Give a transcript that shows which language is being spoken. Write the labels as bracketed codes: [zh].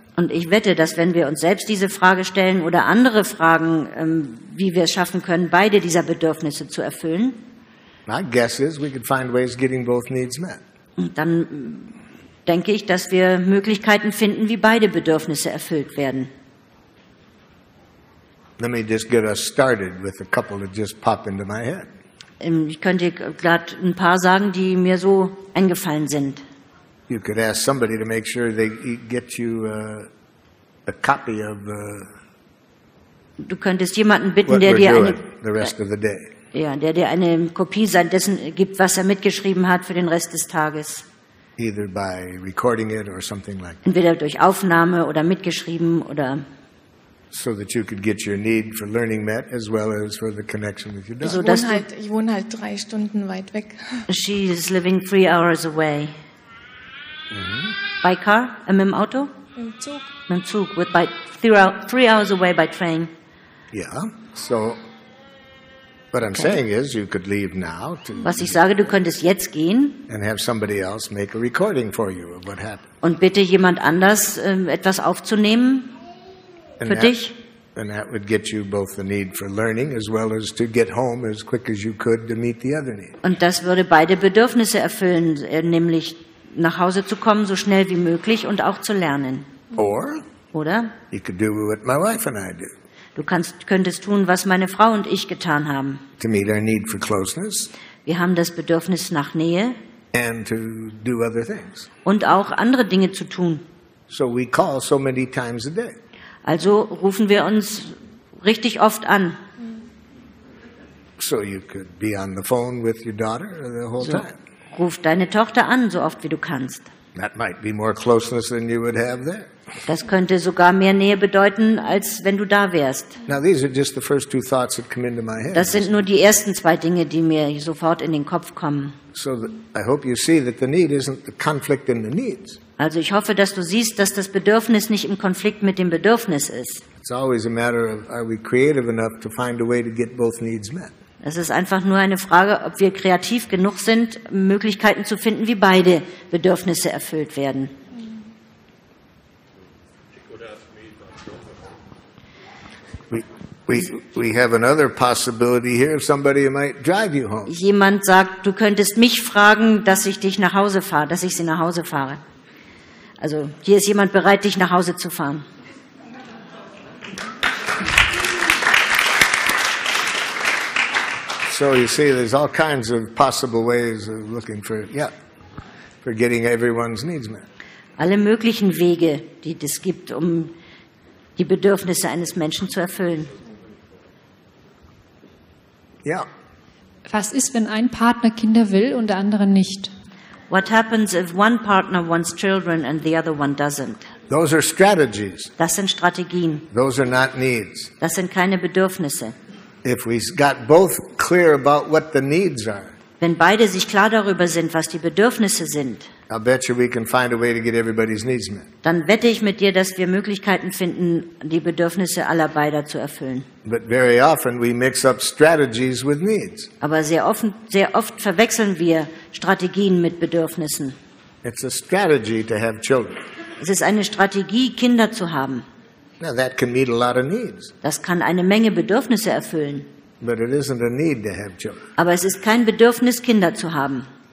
[de] Und ich wette, dass wenn wir uns selbst diese Frage stellen oder andere fragen, wie wir es schaffen können, beide dieser Bedürfnisse zu erfüllen, [en] my guess is we could find ways getting both needs met. [de] Dann denke ich, dass wir Möglichkeiten finden, wie beide Bedürfnisse erfüllt werden. [en] Let me just get us started with a couple that just pop into my head. [de] Ich könnte gerade ein paar sagen, die mir so eingefallen sind. [en] You could ask somebody to make sure they get you a copy of [de] du könntest jemanden bitten, [en] what [de] der [en] we're [de] dir [en] doing [de] eine, [en] the rest of the day. [de] Ja, der dir eine Kopie dessen gibt, was mitgeschrieben hat für den Rest des Tages. [en] Either by recording it or something like [de] that. Entweder durch Aufnahme oder mitgeschrieben oder [en] so that you could get your need for learning met as well as for the connection with your daughter. [de] Ich wohne halt 3 Stunden weit weg. [en] She is living 3 hours away. By car? [de] Mit dem Auto? Mit dem Zug. [en] By 3 hours away by train. Yeah. So What I'm saying is, you could leave now. [de] Was ich sage, du könntest jetzt gehen. [en] And have somebody else make a recording for you of what happened. [de] Und bitte jemand anders etwas aufzunehmen für dich. [en] And that would get you both the need for learning as well as to get home as quick as you could to meet the other need. [de] Und das würde beide Bedürfnisse erfüllen, nämlich nach Hause zu kommen so schnell wie möglich und auch zu lernen. [en] Or? [de] Oder? [en] You could do what my wife and I do. [de] Du könntest tun, was meine Frau und ich getan haben. [en] To meet our need for closeness. [de] Wir haben das Bedürfnis nach Nähe. [en] And to do other things. [de] Und auch andere Dinge zu tun. [en] So we call so many times a day. [de] Also rufen wir uns richtig oft an. [en] So you could be on the phone with your daughter the whole time. [de] Ruf deine Tochter an, so oft wie du kannst. [en] That might be more closeness than you would have there. [de] Das könnte sogar mehr Nähe bedeuten, als wenn du da wärst. [en] Now these are just the first two thoughts that come into my head. [de] Das sind nur die ersten zwei Dinge, die mir sofort in den Kopf kommen. [en] So I hope you see that the need isn't the conflict in the needs. [de] Also ich hoffe, dass du siehst, dass das Bedürfnis nicht im Konflikt mit dem Bedürfnis ist. [en] It's always a matter of are we creative enough to find a way to get both needs met. [de] Es ist einfach nur eine Frage, ob wir kreativ genug sind, Möglichkeiten zu finden, wie beide Bedürfnisse erfüllt werden. [en] We have another possibility here. Somebody might drive you home. [de] Jemand sagt, du könntest mich fragen, dass ich dich nach Hause fahre, dass ich sie nach Hause fahre. Also hier ist jemand bereit, dich nach Hause zu fahren. [en] So you see, there's all kinds of possible ways of looking for, yeah, for getting everyone's needs met. [de] Alle möglichen Wege, die es gibt, um die Bedürfnisse eines Menschen zu erfüllen. Ja. Was ist, wenn ein Partner Kinder will und der andere nicht? [en] What happens if one partner wants children and the other one doesn't? Those are strategies. [de] Das sind Strategien. [en] Those are not needs. [de] Das sind keine Bedürfnisse. [en] If we got both clear about what the needs are. [de] Wenn beide sich klar darüber sind, was die Bedürfnisse sind. [en] I bet you we can find a way to get everybody's needs met. [de] Dann wette ich mit dir, dass wir Möglichkeiten finden, die Bedürfnisse aller beider zu erfüllen. [en] But very often we mix up strategies with needs. [de] Aber sehr oft verwechseln wir Strategien mit Bedürfnissen. [en] It's a strategy to have children. [de] Es ist eine Strategie, Kinder zu haben. [en] Now that can meet a lot of needs. [de] Das kann eine Menge Bedürfnisse erfüllen. [en] But it isn't a need to have children. [de] Aber es ist kein Bedürfnis, Kinder zu haben.